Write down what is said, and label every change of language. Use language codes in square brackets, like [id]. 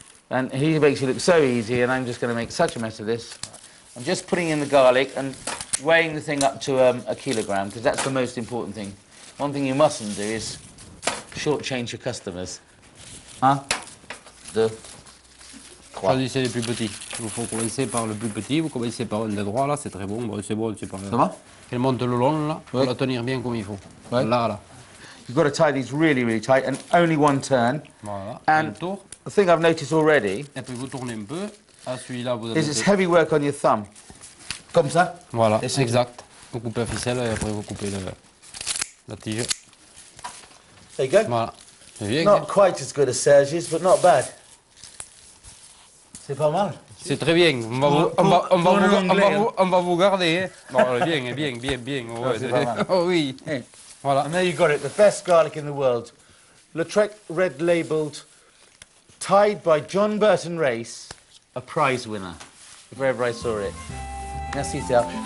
[en] And he makes it look so easy, and I'm just going to make such a mess of this. I'm just putting in the garlic and weighing the thing up to a kilogram, because that's the most important thing. One thing you mustn't do is shortchange your customers. Huh? The. [fr] Choisissez les plus petits. Vous commencez par le plus petit, vous commencez par le droit là, c'est très bon, c'est bon, c'est pas mal. Ça va? Elle monte le long là, pour la tenir bien comme il faut. Là, là. [en] You've got to tie these really, really tight and only one turn. [fr] Voilà. [en] And [fr] un tour. [en] The thing I've noticed already. [fr] Et puis vous tournez un peu. À celui-là, vous avez. [en] Is it heavy work on your thumb? [fr] Comme ça? Voilà. Et c'est exact. Vous coupez la ficelle et après vous coupez le, la tige. [en] There you go. [fr] Voilà. C'est bien. [en] Not quite as good as Serge's, but not bad. [fr] C'est pas mal. C'est très bien. On va vous garder. Bien, bien, bien, bien. Oh, c'est pas mal. Oh oui. Hey. Voilà. [en] And there you got it. The best garlic in the world. Lautrec red labelled, tied by John Burton Race, a prize winner. Wherever I saw it. [fr] Merci, [en] Serge.